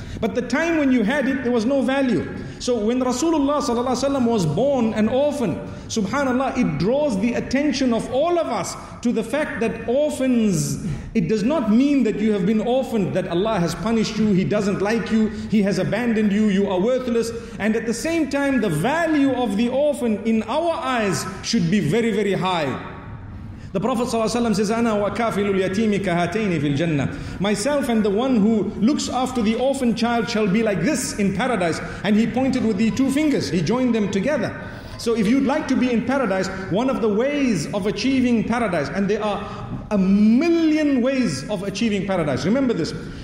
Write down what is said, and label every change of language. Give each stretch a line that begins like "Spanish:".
English: But the time when you had it, there was no value. So when Rasulullah sallallahu alaihi wasallam was born an orphan, subhanallah, it draws the attention of all of us to the fact that orphans, it does not mean that you have been orphaned, that Allah has punished you, He doesn't like you, He has abandoned you, you are worthless. And at the same time, the value of the orphan in our eyes should be very, very high. The Prophet ﷺ says,
Arabic: أَنَا وَكَافِلُ الْيَتِيمِ كَهَاتَيْنِ فِي الْجَنَّةِ.
English: Myself and the one who looks after the orphan child shall be like this in paradise. And he pointed with the two fingers. He joined them together. So if you'd like to be in paradise, one of the ways of achieving paradise, and there are a million ways of achieving paradise. Remember this.